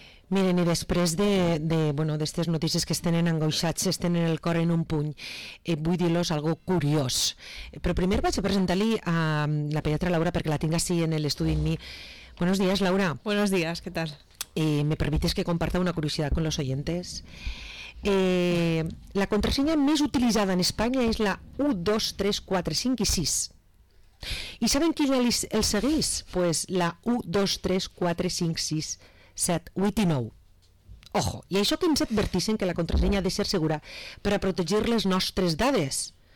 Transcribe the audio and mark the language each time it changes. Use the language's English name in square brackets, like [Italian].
[Catalan] Toni, després de bueno, d'aquestes notícies que es tenen angoixats, es tenen el cor en un puny, vull dir-los algo curiós. Però primer vaig a presentar-li a la pediatra Laura perquè la tinc així en l'estudi amb mi. [Spanish] Buenos días, Laura. Buenos días, ¿qué tal? ¿Me permites que comparta una curiosidad con los oyentes? [Catalan] La contraseña més utilitzada en Espanya és la 123456. [Spanish] ¿Y saben quién el seguís? Pues la 123456789. [Catalan] Ojo, i això que ens advertissin que la contrasenya ha de ser segura per a protegir les nostres dades.